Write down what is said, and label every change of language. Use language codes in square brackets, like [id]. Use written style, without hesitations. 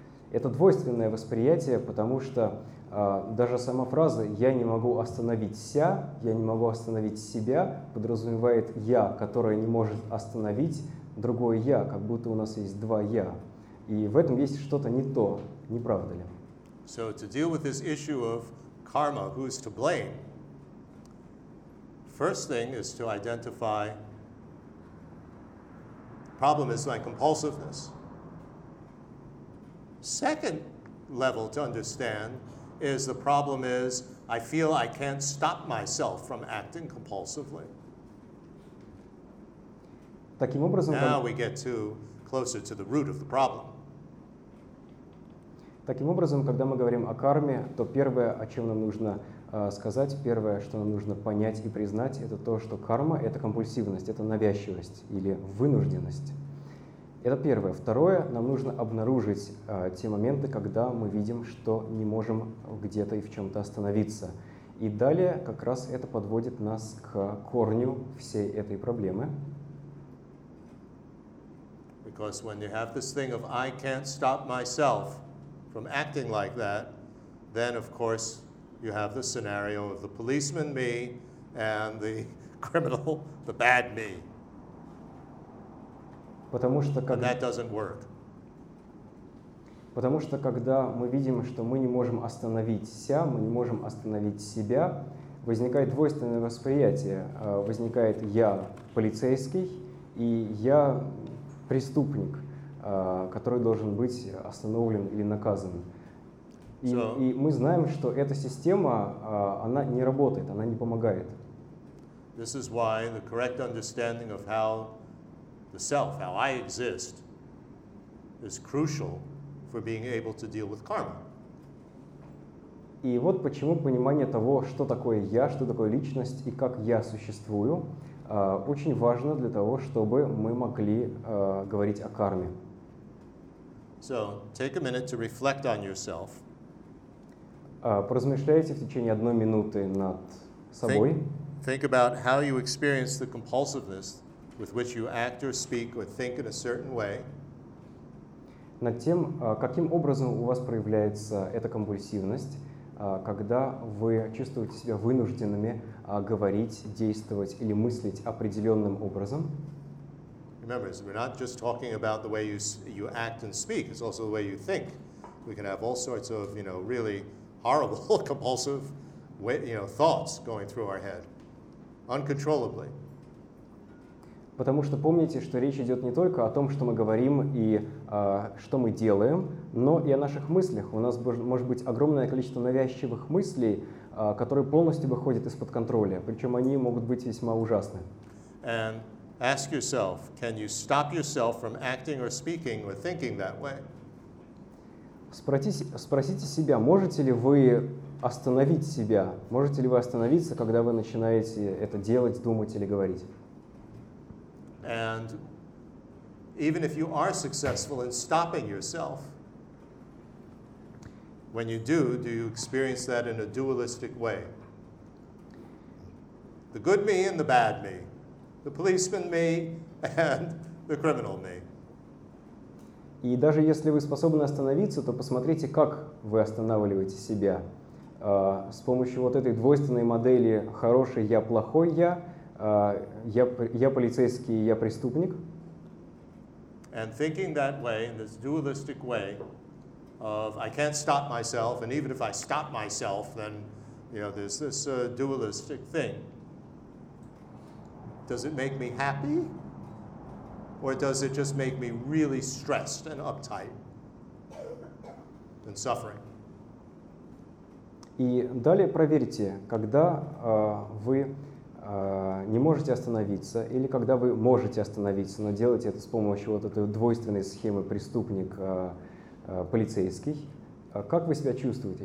[ru] Это двойственное восприятие, потому что даже сама фраза «я не могу остановиться», «я не могу остановить себя» подразумевает «я», которое не может остановить другое «я», как будто у нас есть два «я». И в этом есть что-то не то, не правда ли? [en] So to deal with this issue of karma, who's to blame, first thing is to identify problem is my compulsiveness. Second level to understand is the problem is I feel I can't stop myself from acting compulsively. [ru] Таким образом, [en] now we get closer to the root of the problem. [ru] Таким образом, когда мы говорим о карме, то первое, о чем нам нужно сказать, первое, что нам нужно понять и признать, это то, что карма — это компульсивность, это навязчивость или вынужденность. Это первое. Второе, нам нужно обнаружить те моменты, когда мы видим, что не можем где-то и в чем-то остановиться. И далее как раз это подводит нас к корню всей этой проблемы. [en] Because when you have this thing of I can't stop myself from acting like that, then of course you have the scenario of the policeman me and the criminal, the bad me. [ru] Потому что, когда мы видим, что мы не можем остановиться, мы не можем остановить себя, возникает двойственное восприятие. Возникает я полицейский и я преступник, который должен быть остановлен или наказан. И мы знаем, что эта система, она не работает, она не помогает. [en] This is why the correct understanding of how the self, how I exist, is crucial for being able to deal with karma. [ru] И вот почему понимание того, что такое я, что такое личность и как я существую, очень важно для того, чтобы мы могли говорить о карме. [en] So, take a minute to reflect on yourself. [ru] Поразмышляйте в течение одной минуты над собой. [en] Think about how you experience the compulsiveness with which you act or speak or think in a certain way. [ru] Над тем, каким образом у вас проявляется эта компульсивность, когда вы чувствуете себя вынужденными говорить, действовать или мыслить определенным образом. [en] Remember, we're not just talking about the way you act and speak, it's also the way you think. We can have all sorts of, you know, really horrible, compulsive, you know, thoughts going through our head, uncontrollably. [ru] Потому что помните, что речь идет не только о том, что мы говорим и что мы делаем, но и о наших мыслях. У нас может быть огромное количество навязчивых мыслей, которые полностью выходят из-под контроля, причем они могут быть весьма ужасны. [en] And ask yourself, can you stop yourself from acting or speaking or thinking that way? [ru] Спросите себя, можете ли вы остановить себя? Можете ли вы остановиться, когда вы начинаете это делать, думать или говорить? [en] And even if you are successful in stopping yourself, when you do, do you experience that in a dualistic way? The good me and the bad me, the policeman me and the criminal me. [ru] И даже если вы способны остановиться, то посмотрите, как вы останавливаете себя. С помощью вот этой двойственной модели «хороший я, плохой я», я полицейский, я преступник. [en] And thinking that way, in this dualistic way, of I can't stop myself, and even if I stop myself, then, you know, there's this dualistic thing. Does it make me happy? Or does it just make me really stressed and uptight and suffering? [ru] И далее проверьте, когда вы не можете остановиться, или когда вы можете остановиться, но делаете это с помощью вот этой двойственной схемы преступник-полицейский, как вы себя чувствуете?